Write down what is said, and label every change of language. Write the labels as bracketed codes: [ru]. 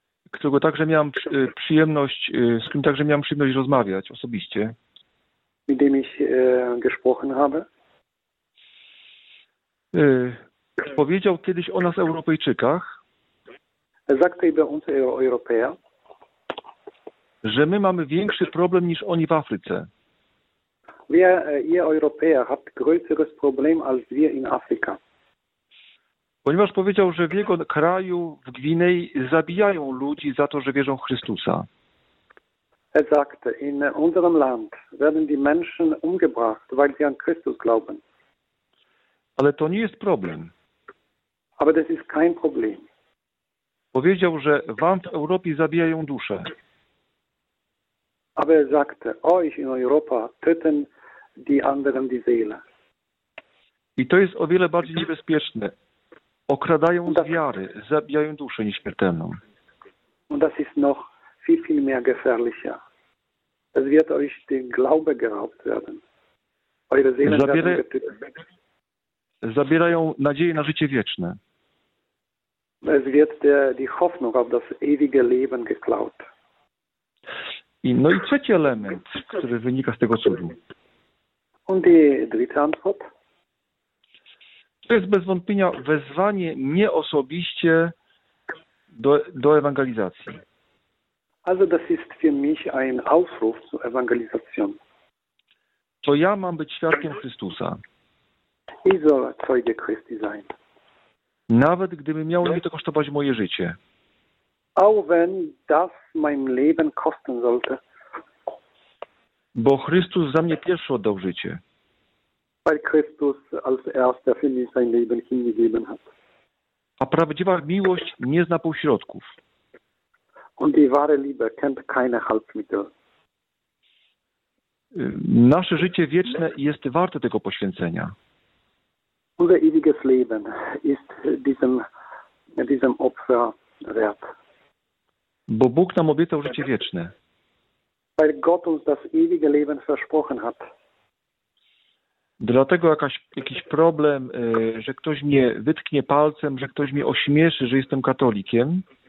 [pl] Którego także miałem przyjemność, z którym także miałem przyjemność rozmawiać osobiście. [de] Mit dem ich gesprochen habe. [pl] Powiedział kiedyś o nas Europejczykach. [de] Sagte über uns Europäer. [pl] Że my mamy większy problem niż oni w Afryce. [de] Wir, ihr Europäer habt größeres Problem als wir in Afrika. [pl] Ponieważ powiedział, że w jego kraju, w Gwinei, zabijają ludzi za to, że wierzą w Chrystusa. [de] Er sagte, in unserem Land werden die Menschen umgebracht, weil sie an Christus glauben. [pl] Ale to nie jest problem. [de] Aber das ist kein Problem. [pl] Powiedział, że wam w Europie zabijają dusze. [de] Aber er sagte, euch in Europa töten die anderen die Seele. [pl] I to jest o wiele bardziej niebezpieczne. Okradają z wiary, zabijają duszę nieśmiertelną. [de] Und das ist noch viel, viel mehr gefährlicher. Es wird euch den Glaube geraubt werden. Eure Seele werden getötet. [pl] Zabierają nadzieję na życie wieczne. [de] Es wird die Hoffnung auf das ewige Leben geklaut. [pl] I, no i trzeci element, który wynika z tego cudu. [de] Und die dritte Antwort? [pl] To jest bez wątpienia wezwanie nie osobiście do ewangelizacji. [de] Also das ist für mich ein Aufruf zur Evangelisation. [pl] To ja mam być świadkiem Chrystusa. [de] I soll Zeuge Christi sein. [pl] Nawet gdyby miało mi to kosztować moje życie. [de] Auch wenn das mein Leben kosten sollte. [pl] Bo Chrystus za mnie pierwszy oddał życie. [de] Weil Christus als erster für mich sein Leben hingegeben hat. [pl] A prawdziwa miłość nie zna półśrodków. [de] Und die wahre Liebe kennt keine Halbmittel. [pl] Nasze życie wieczne jest warte tego poświęcenia. [de] Unser ewiges Leben ist diesem Opfer wert. [pl] Bo Bóg nam obiecał życie wieczne. [de] Weil Gott uns das ewige Leben versprochen hat. [pl] Dlatego jakiś problem, że ktoś mnie wytknie palcem, że ktoś mnie ośmieszy, że jestem katolikiem.